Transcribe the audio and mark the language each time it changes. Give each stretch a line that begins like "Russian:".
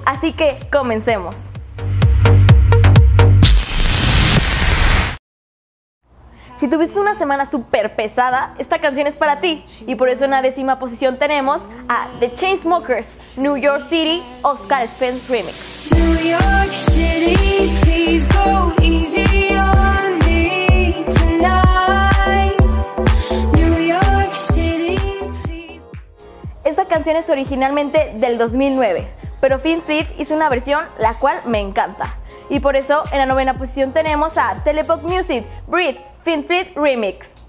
Spanish: Así que, comencemos. Si tuviste una semana súper pesada, esta canción es para ti. Y por eso en la décima posición tenemos a The Chainsmokers, New York City, Oscar Spence Remix.
English: New York City, please go easy on me tonight. New York City, please.
Spanish: Esta canción es originalmente del 2009, pero Finn Fleet hizo una versión la cual me encanta. Y por eso en la novena posición tenemos a Telepop Music, Breathe. Finn Fleet Remix.